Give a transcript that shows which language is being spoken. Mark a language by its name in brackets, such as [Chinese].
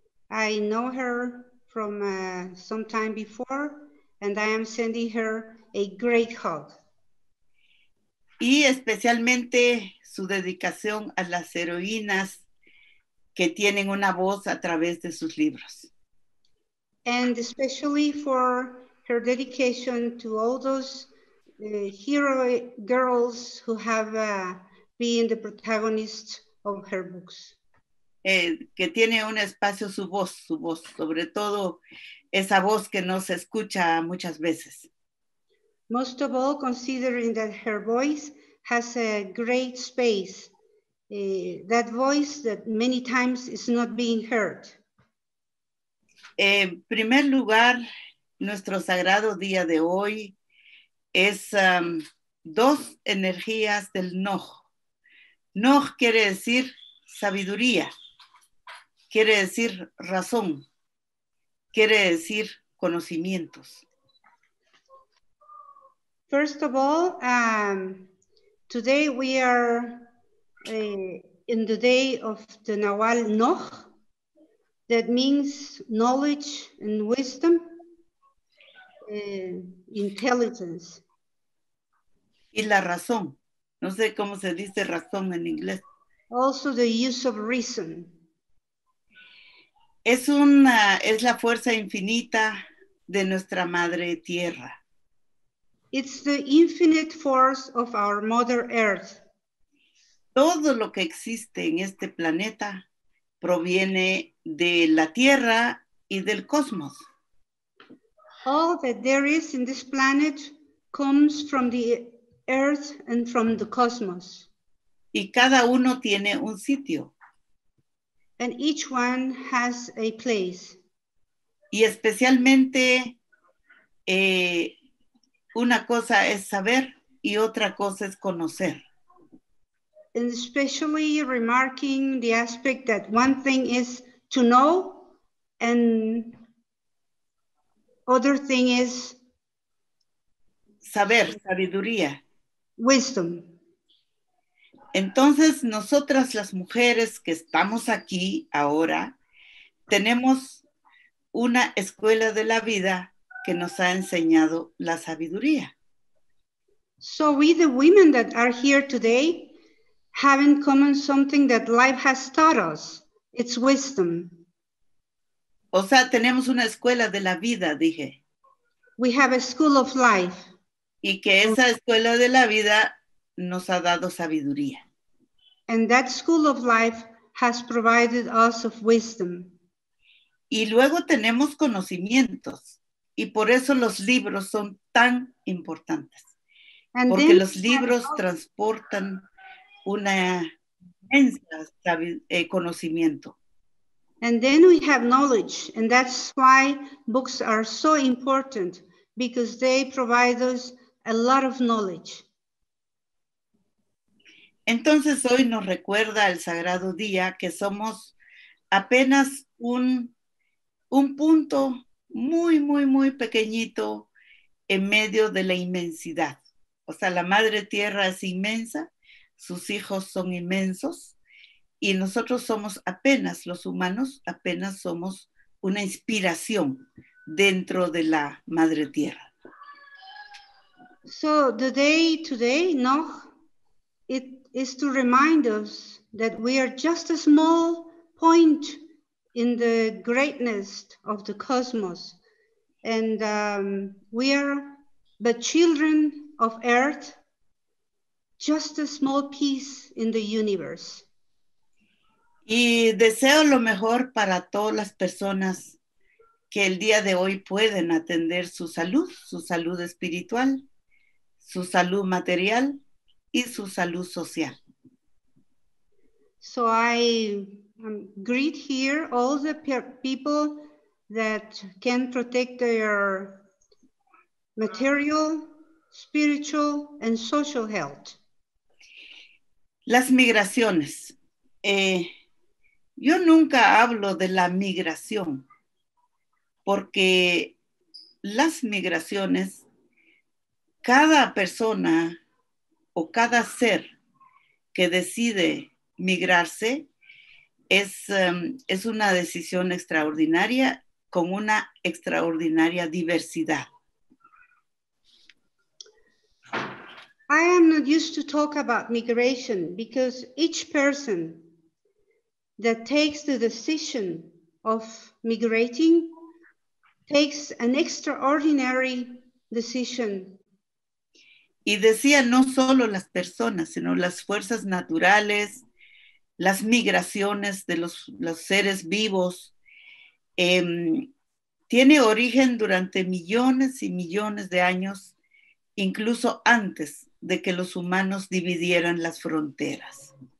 [English] I know her from some time before, and I am sending her a great hug. [Spanish] Y especialmente su dedicación a las heroínas que tienen una voz a través de sus libros. [English] And especially for her dedication to all those hero girls who have been the protagonists of her books. [Spanish] Que tiene un espacio su voz, sobre todo esa voz que no se escucha muchas veces. [English] Most of all, considering that her voice has a great space, that voice that many times is not being heard. [Spanish] En primer lugar, nuestro sagrado día de hoy es dos energías del Noj. Noj quiere decir sabiduría, quiere decir razón, quiere decir conocimientos. [English] First of all, today we are in the day of the Nahual Noj. That means knowledge and wisdom, intelligence. [Spanish] Y la razón. No sé cómo se dice razón en inglés. [English] Also the use of reason. [Spanish] Es la fuerza infinita de nuestra madre tierra. [English] It's the infinite force of our Mother Earth. [Spanish] Todo lo que existe en este planeta proviene de la tierra y del cosmos. [English] All that there is in this planet comes from the Earth and from the cosmos. [Spanish] Y cada uno tiene un sitio. [English] And each one has a place. [Spanish] Y especialmente una cosa es saber y otra cosa es conocer. [English] And especially remarking the aspect that one thing is to know and other thing is [Spanish] Saber, sabiduría. [English] wisdom. [Spanish] Entonces, nosotras las mujeres que estamos aquí ahora, tenemos una escuela de la vida que nos ha enseñado la sabiduría. [English] So we, the women that are here today, have in common something that life has taught us. It's wisdom. [Spanish] O sea, tenemos una escuela de la vida, dije. [English] We have a school of life. [Spanish] Y que esa escuela de la vida nos ha dado sabiduría. [English] And that school of life has provided us of wisdom. [Spanish] Y luego tenemos conocimientos, y por eso los libros son tan importantes, [English] And [Spanish] porque [English] then [Spanish] los libros transportan una inmensa conocimiento. [English] we have knowledge, and that's why books are so important, because they provide us a lot of knowledge. [Spanish] Entonces hoy nos recuerda el Sagrado Día que somos apenas un punto muy, muy, muy pequeñito en medio de la inmensidad. O sea, la Madre Tierra es inmensa, sus hijos son inmensos y nosotros somos apenas, los humanos apenas somos una inspiración dentro de la Madre Tierra. [English] So the day today, Noj, it is to remind us that we are just a small point in the greatness of the cosmos, and we are the children of Earth, just a small piece in the universe. [Spanish] Y deseo lo mejor para todas las personas que el día de hoy pueden atender su salud espiritual, su salud material y su salud social. [English] So I greet here all the people that can protect their material, spiritual, and social health. [Spanish] Las migraciones. Yo nunca hablo de la migración, porque las migraciones, cada persona o cada ser que decide migrarse es una decisión extraordinaria con una extraordinaria diversidad. [English] I am not used to talk about migration because each person that takes the decision of migrating takes an extraordinary decision. [Spanish] Y decía no solo las personas, sino las fuerzas naturales, las migraciones de los seres vivos, tiene origen durante millones y millones de años, incluso antes de que los humanos dividieran las fronteras.